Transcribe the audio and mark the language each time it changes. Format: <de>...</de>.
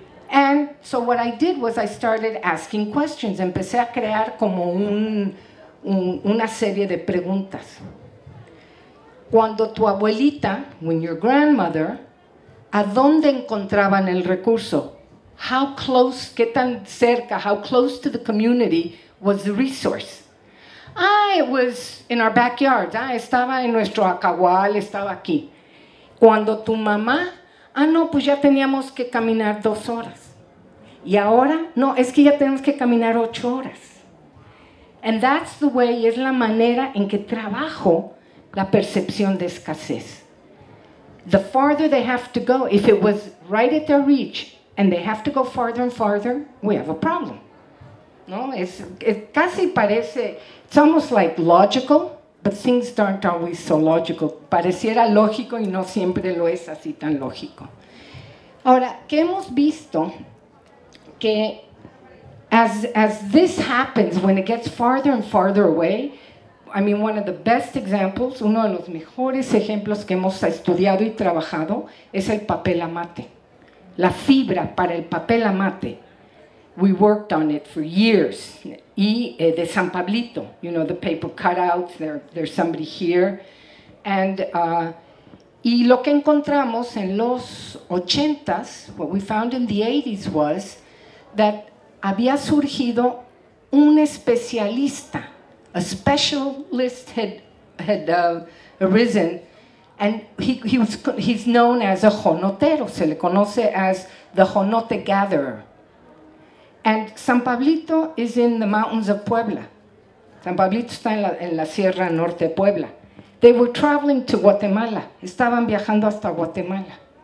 <en>And so what I did was I started asking questions.</en> <es>Empecé a crear como una serie de preguntas. Cuando tu abuelita,</es> <en>when your grandmother,</en> <es>¿a dónde encontraban el recurso?</es> <en>How close,</en> <es>qué tan cerca,</es> <en>how close to the community was the resource? It was in our backyard.</en> <es>Estaba en nuestro acahual, estaba aquí. Cuando tu mamá, pues ya teníamos que caminar 2 horas. Y ahora, es que ya tenemos que caminar 8 horas.</es> <en>And that's the way,</en> <es>es la manera en que trabajo la percepción de escasez.</es> <en>The farther they have to go, if it was right at their reach, and they have to go farther and farther, we have a problem. No,</en> <es>es casi parece,</es> <en>it's almost like logical, but things aren't always so logical.</en> <es>Pareciera lógico y no siempre lo es así tan lógico. Ahora, ¿qué hemos visto? Que</es> <en>as this happens, when it gets farther and farther away, I mean, one of the best examples,</en> <es>uno de los mejores ejemplos que hemos estudiado y trabajado, es el papel amate. La fibra para el papel amate.</es> <en>We worked on it for years. Y de San Pablito, you know, the paper cutouts, there's somebody here. And</en> <es>y lo que encontramos en los 80s,</es> <en>what we found in the 80s was that</en> <es>había surgido un especialista,</es> <en>a specialist had arisen, and he's known as a jonotero,</en> <es>se le conoce</es> <en>as the jonote gatherer. And San Pablito is in the mountains of Puebla.</en> <es>San Pablito está en la Sierra Norte de Puebla.</es> <en>They were traveling to Guatemala,</en> <es>estaban viajando hasta Guatemala.</es>